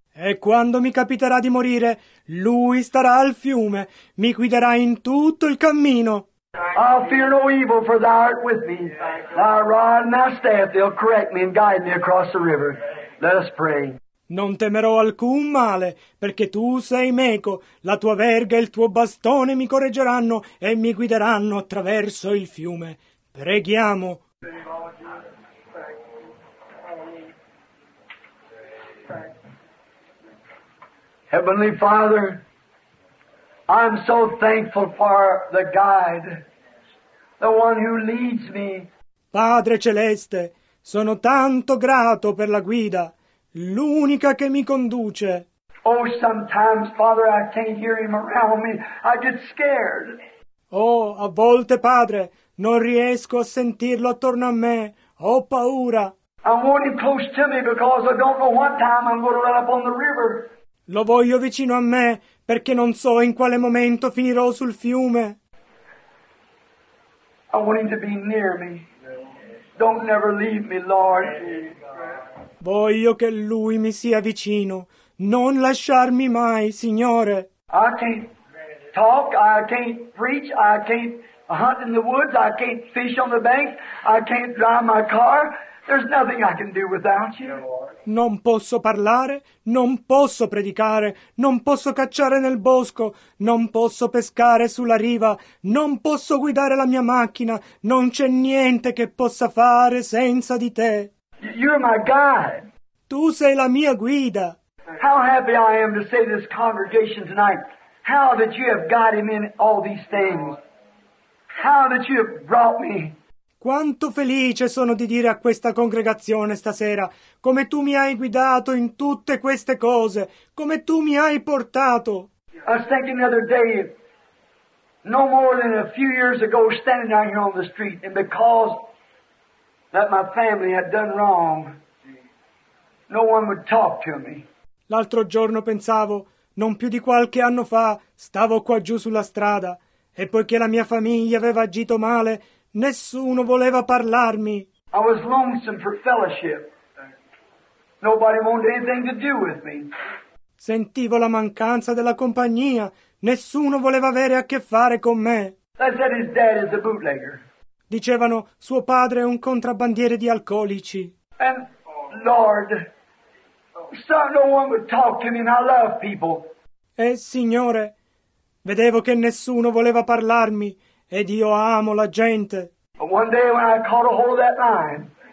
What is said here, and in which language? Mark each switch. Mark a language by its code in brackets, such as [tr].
[it] E quando mi capiterà di morire, lui starà al fiume, mi guiderà in tutto il cammino. [en] I'll fear no evil, for thou art with me. Thy rod and thy staff, they'll correct me and guide me across the river. Let us pray. [it] Non temerò alcun male, perché tu sei meco, la tua verga e il tuo bastone mi correggeranno e mi guideranno attraverso il fiume. Preghiamo. [en] Heavenly Father, I'm so thankful for the guide, the one who leads me. [it] Padre celeste, sono tanto grato per la guida, l'unica che mi conduce. [en] Oh, sometimes, Father, I can't hear him around me. I get scared. [it] Oh, a volte, Padre, non riesco a sentirlo attorno a me. Ho paura. [en] I want him close to me because I don't know what time I'm going to run up on the river. [it] Lo voglio vicino a me perché non so in quale momento finirò sul fiume. [en] I want him to be near me. Don't never leave me, Lord. [it] Voglio che lui mi sia vicino. Non lasciarmi mai, Signore. [en] I can't talk, I can't preach, I can't hunt in the woods, I can't fish on the banks, I can't drive my car. There's nothing I can do without you. [it] Non posso parlare, non posso predicare, non posso cacciare nel bosco, non posso pescare sulla riva, non posso guidare la mia macchina, non c'è niente che possa fare senza di te. [en] You're my guide. [it] Tu sei la mia guida. [en] How happy I am to say this congregation tonight. How that you have guided me in all these things. How that you have brought me. [it] Quanto felice sono di dire a questa congregazione stasera come tu mi hai guidato in tutte queste cose, come tu mi hai portato. [en] I was thinking the other day, no more than a few years ago, standing out here on the street, and because that my family had done wrong, no one would talk to me. [it] L'altro giorno pensavo, non più di qualche anno fa, stavo qua giù sulla strada, e poiché la mia famiglia aveva agito male, nessuno voleva parlarmi. [en] I was lonesome for fellowship. Nobody wanted anything to do with me. [it] Sentivo la mancanza della compagnia. Nessuno voleva avere a che fare con me. [en] They said his dad is a bootlegger. [it] Dicevano, suo padre è un contrabbandiere di alcolici. [en] And Lord, no one would talk to me, and I love people. [it] E Signore, vedevo che nessuno voleva parlarmi. Ed io amo la gente. [en] One day when I caught a hold of that line,